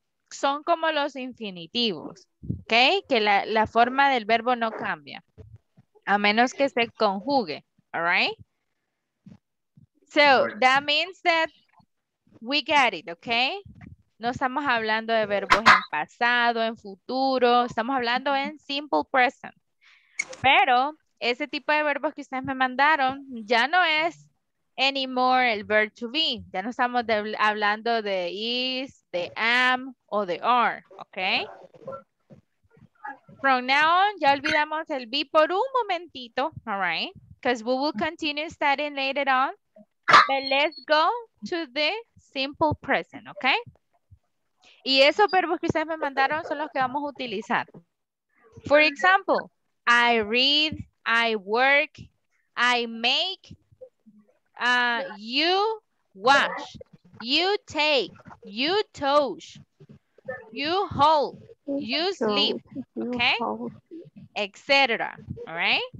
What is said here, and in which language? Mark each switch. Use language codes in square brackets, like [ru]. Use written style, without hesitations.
[es] Son como los infinitivos, ¿ok? Que la forma del verbo no cambia, a menos que se conjugue, [en] ¿all right? So, that means that we got it, ¿ok? [es] No estamos hablando de verbos en pasado, en futuro, estamos hablando en simple present. Pero ese tipo de verbos que ustedes me mandaron ya no es anymore el verb to be. Ya no estamos hablando de is, [en] the am [es] o the are, ¿ok? [en] From now on, [es] ya olvidamos el be por un momentito, [en] all right? Because we will continue studying later on. But let's go to the simple present, ¿ok? [es] Y esos verbos que ustedes me mandaron son los que vamos a utilizar. [en] For example, I read, I work, I make, you wash. You take, you touch, you hold, you sleep, okay? Etc. All right?